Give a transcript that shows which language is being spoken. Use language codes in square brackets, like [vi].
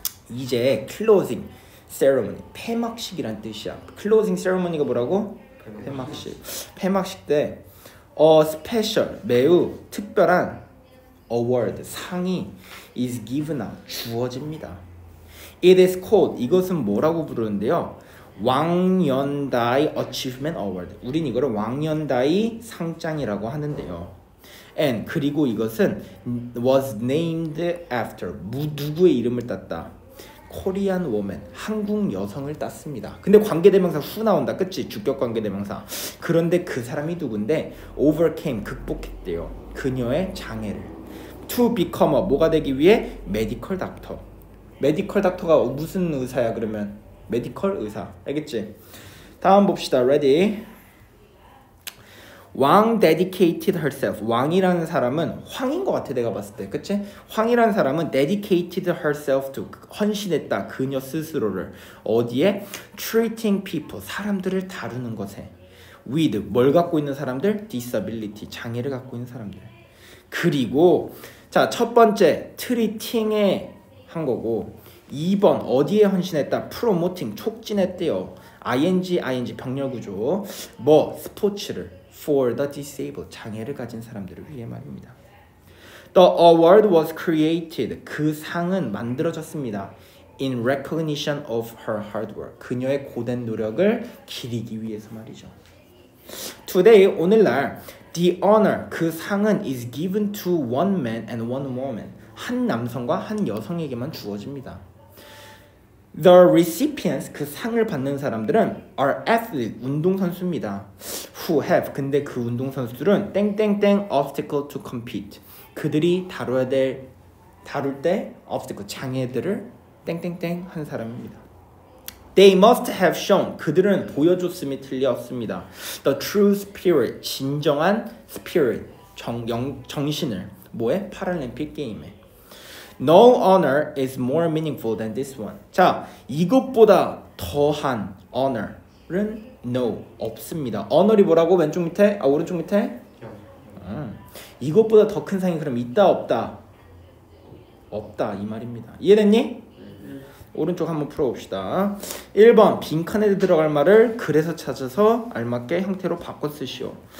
[ko] 이제 closing ceremony, 폐막식이란 뜻이야. closing ceremony가 뭐라고? 폐막식. 폐막식 때 [en] a special, [ko] 매우 특별한 award, 상이 [en] is given out, [ko] 주어집니다. It is called, 이것은 뭐라고 부르는데요? [en] 왕연다이 achievement award. [ko] 우린 이거를 왕연다이 상장이라고 하는데요. And 그리고 이것은 [en] was named after, [ko] 누구의 이름을 땄다? [en] Korean woman, [ko] 한국 여성을 땄습니다. 근데 관계대명사 후 나온다, 그치? 주격 관계대명사. 그런데 그 사람이 누군데? overcame, 극복했대요. 그녀의 장애를. [en] To become a, [ko] 뭐가 되기 위해? medical doctor. medical doctor가 무슨 의사야 그러면? medical 의사, 알겠지? 다음 봅시다, ready? [en] 왕 dedicated herself. [ko] 왕이라는 사람은 황인 것 같아, 내가 봤을 때. 그치? 황이라는 사람은 [en] dedicated herself to, [ko] 헌신했다, 그녀 스스로를. 어디에? [en] treating people, [ko] 사람들을 다루는 것에. with, 뭘 갖고 있는 사람들? disability, 장애를 갖고 있는 사람들. 그리고, 자, 첫 번째, treating에 한 거고, 2번, 어디에 헌신했다? promoting, 촉진했대요. ing, ing, 병렬구조. 뭐, 스포츠를. [en] For the disabled, [ko] 장애를 가진 사람들을 위해 말입니다. [en] The award was created. [ko] 그 상은 만들어졌습니다. [en] in recognition of her hard work. [ko] 그녀의 고된 노력을 기리기 위해서 말이죠. [en] Today, [ko] 오늘날, [en] the honor, [ko] 그 상은 [en] is given to one man and one woman. [ko] 한 남성과 한 여성에게만 주어집니다. [en] The recipients, [ko] 그 상을 받는 사람들은 [en] are athletes, [ko] 운동선수입니다. [en] Who have, [ko] 근데 그 운동선수들은 땡땡땡 [en] obstacle to compete. [ko] 그들이 다뤄야 될, 다룰 때 obstacle, 장애들을 땡땡땡 한 사람입니다. [en] They must have shown, [ko] 그들은 보여줬음이 틀렸습니다. [en] The true spirit, [ko] 진정한 [en] spirit, [ko] 정신을, 뭐에? 파라림픽 게임에. [en] No honor is more meaningful than this one. [ko] 자, 이것보다 더한 honor은 no, 없습니다. honor이 뭐라고? 왼쪽 밑에? 아, 오른쪽 밑에? 이것보다 더 큰 상이 그럼 있다, 없다? 없다, 이 말입니다. 이해됐니? 오른쪽 한번 풀어봅시다. 1번, 빈칸에 들어갈 말을 그래서 찾아서 알맞게 형태로 바꿔 쓰시오.